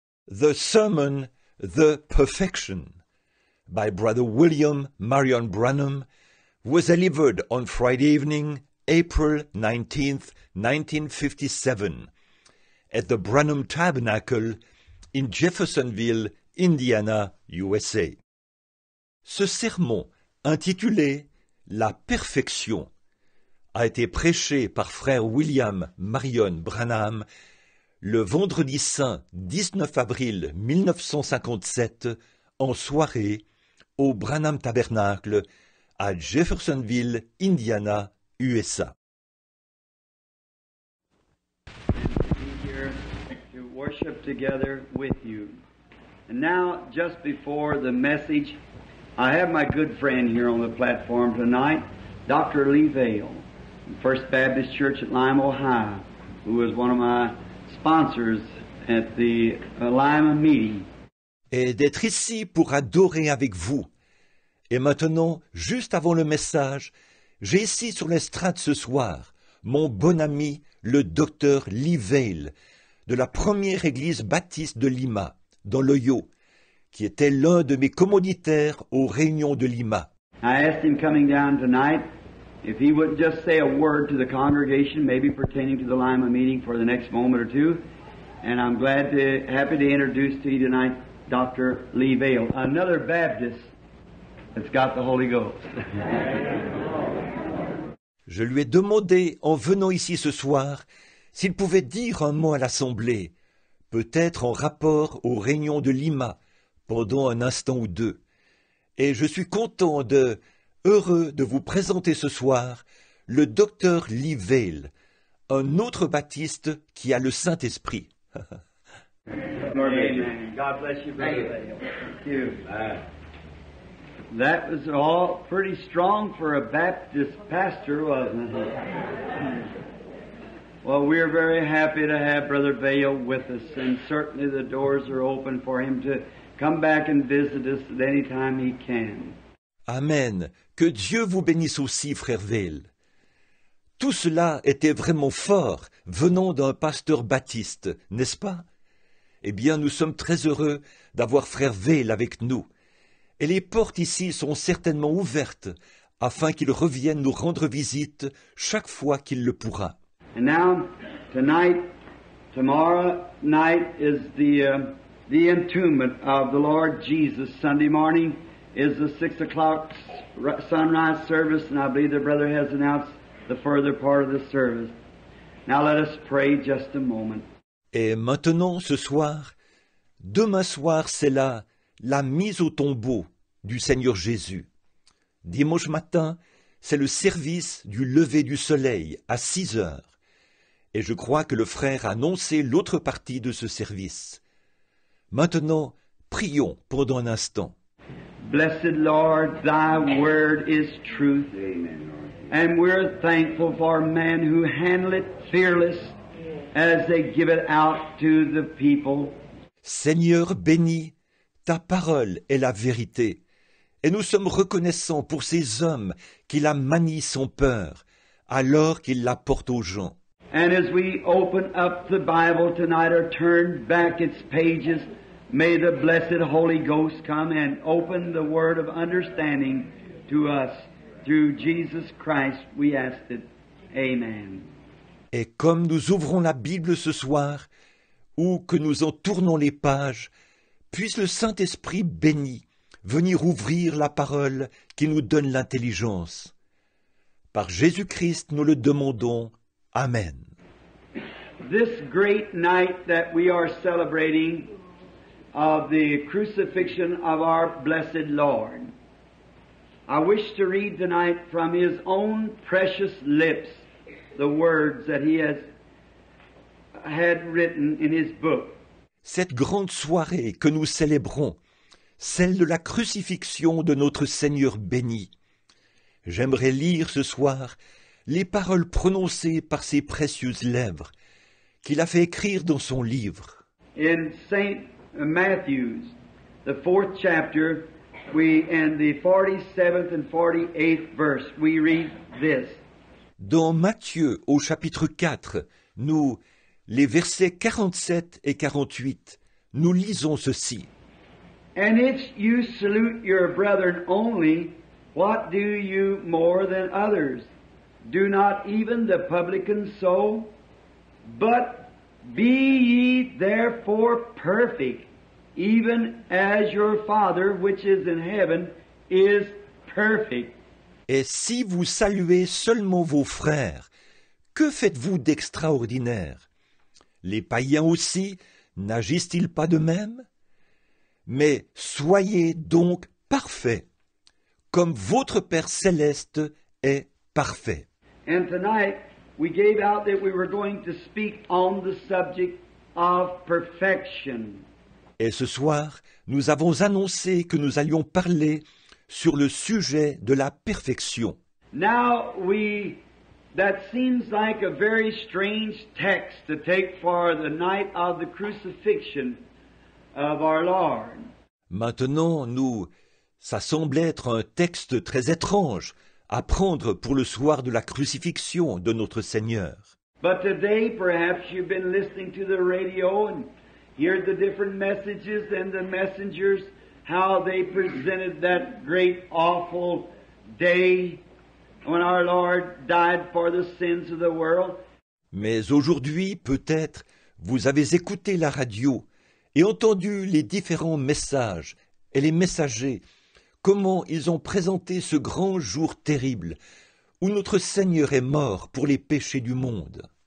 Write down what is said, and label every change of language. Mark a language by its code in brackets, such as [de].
[en] The Sermon, The Perfection by Brother William Marion Branham was delivered on Friday evening, April 19, 1957, at the Branham Tabernacle in Jeffersonville, Indiana, USA. [fr] Ce sermon, intitulé « La Perfection », a été prêché par Frère William Marion Branham le vendredi saint 19 avril 1957 en soirée au Branham Tabernacle à Jeffersonville, Indiana, USA. [en] Good to be here to worship together with you. And now, just before the message, I have my good friend here on the platform tonight, Dr. Lee Vail, First Baptist Church at Lima, Ohio, who is one of my sponsors at the Lima meeting. [fr] Et d'être ici pour adorer avec vous. Et maintenant, juste avant le message, j'ai ici sur l'estrade ce soir mon bon ami, le docteur Lee Vail, de la première église baptiste de Lima, dans l'Ohio, qui était l'un de mes commanditaires aux réunions de Lima. [en] I asked him coming down tonight if he would just say a word to the congregation, maybe pertaining to the Lima meeting for the next moment or two. And I'm glad to, happy to introduce to you tonight Dr. Lee Vail, another Baptist that's got the Holy Ghost. [fr] Je lui ai demandé, en venant ici ce soir, s'il pouvait dire un mot à l'Assemblée, peut-être en rapport aux réunions de Lima, pendant un instant ou deux. Et je suis content de... heureux de vous présenter ce soir le docteur Lee Vail, un autre baptiste qui a le Saint-Esprit. [en] Amen. God bless you, brother. Thank you. That was all pretty strong for a Baptist pastor, wasn't it? Well, we are very happy to have Brother Vail with us, and certainly the doors are open for him to come back and visit us at any time he can. Amen. [fr] Que Dieu vous bénisse aussi, frère Vail. Tout cela était vraiment fort, venant d'un pasteur baptiste, n'est-ce pas? Eh bien, nous sommes très heureux d'avoir frère Vail avec nous. Et les portes ici sont certainement ouvertes, afin qu'il revienne nous rendre visite chaque fois qu'il le pourra. [en] And now, tonight, tomorrow night is the entombment of the Lord Jesus, Sunday morning. Is the 6 o'clock sunrise service, and I believe the brother has announced the further part of the service. Now let us pray just a moment. [fr] Et maintenant, ce soir, demain soir, c'est la mise au tombeau du Seigneur Jésus. Dimanche matin, c'est le service du lever du soleil à 6 heures. Et je crois que le frère a annoncé l'autre partie de ce service. Maintenant, prions pendant un instant. [en] Blessed Lord, thy word is truth. Amen. And we're thankful for men who handle it fearless as they give it out to the people. [fr] Seigneur béni, ta parole est la vérité. Et nous sommes reconnaissants pour ces hommes qui la manient sans peur alors qu'ils la portent aux gens. [en] And as we open up the Bible tonight or turn back its pages, may the blessed Holy Ghost come and open the word of understanding to us. Through Jesus Christ, we ask it. Amen. [fr] Et comme nous ouvrons la Bible ce soir, ou que nous en tournons les pages, puisse le Saint-Esprit béni venir ouvrir la parole qui nous donne l'intelligence. Par Jésus-Christ, nous le demandons. Amen. [en] This great night that we are celebrating of the crucifixion of our blessed Lord. I wish to read tonight from His own precious lips the words that He has had written in His book. [fr] Cette grande soirée que nous célébrons, celle de la crucifixion de notre Seigneur béni, j'aimerais lire ce soir les paroles prononcées par ses précieuses lèvres qu'il a fait écrire dans son livre. [en] In Saint Matthew's, the 4th chapter, we and the 47th and 48th verse, we read this. [fr] Dans Matthieu, au chapitre 4, les versets 47 et 48, nous lisons ceci. [en] And if you salute your brethren only, what do you more than others? Do not even the publicans so? But be ye therefore perfect, even as your Father which is in heaven is perfect. [fr] Et si vous saluez seulement vos frères, que faites-vous d'extraordinaire? Les païens aussi n'agissent-ils pas de même? Mais soyez donc parfaits, comme votre Père céleste est parfait. [en] And tonight, we gave out that we were going to speak on the subject of perfection. [fr] Et ce soir, nous avons annoncé que nous allions parler sur le sujet de la perfection. [en] Now that seems like a very strange text to take for the night of the crucifixion of our Lord. [fr] Maintenant, ça semble être un texte très étrange à prendre pour le soir de la crucifixion de notre Seigneur. [en] But today, perhaps you've been listening to the radio and hear the different messages and the messengers, how they presented that great awful day when our Lord died for the sins of the world. [fr] Mais aujourd'hui, peut-être, vous avez écouté la radio et entendu les différents messages et les messagers, comment ils ont présenté ce grand jour terrible où notre Seigneur est mort pour les péchés du monde.